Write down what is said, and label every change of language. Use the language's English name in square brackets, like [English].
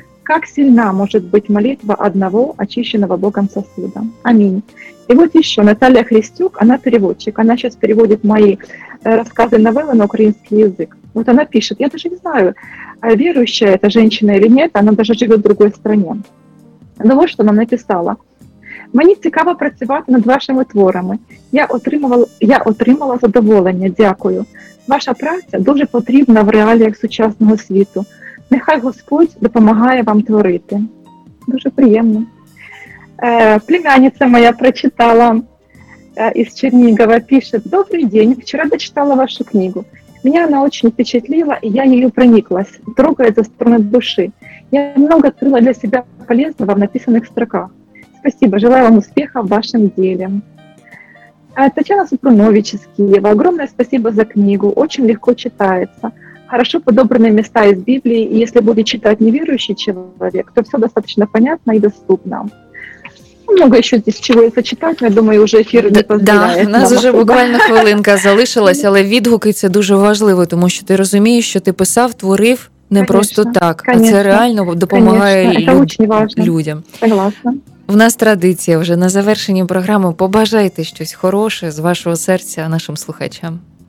[Russian] Как сильна может быть молитва одного очищенного Богом сосуда. Аминь. И вот еще Наталья Христюк, она переводчик. Она сейчас переводит мои рассказы, новеллы на украинский язык. Вот она пишет, я даже не знаю, верующая эта женщина или нет, она даже живет в другой стране. Но вот что она написала. [Ukrainian] Мені цікаво працювати над вашими творами. Я отримала задоволення, дякую. Ваша праця дуже потрібна в реаліях сучасного світу. Нехай Господь допомагає вам творити. Дуже приємно. Племянниця моя прочитала із Чернігова, пише, добрий день, вчора дочитала вашу книгу. [Russian] Меня она очень впечатлила, и я ею прониклась, трогая за стороны души. Я много открыла для себя полезного в написанных строках. Спасибо, желаю вам успеха в вашем деле. Татьяна Супрунович из Киева, огромное спасибо за книгу, очень легко читается. Хорошо подобраны места из Библии, и если будет читать неверующий человек, то все достаточно понятно и доступно. Много еще здесь чего я зачитать, я думаю, уже эфир не позволяет. [Ukrainian] Да, у нас уже буквально хвилинка залишилась, але відгуки – це дуже важливо, тому що ти розумієш, що ти писав, творив не конечно, просто так, конечно, а це реально допомагає людям. [Russian] Согласна. [Ukrainian] У нас традиція вже на завершенні програми. Побажайте щось хороше з вашого серця нашим слухачам.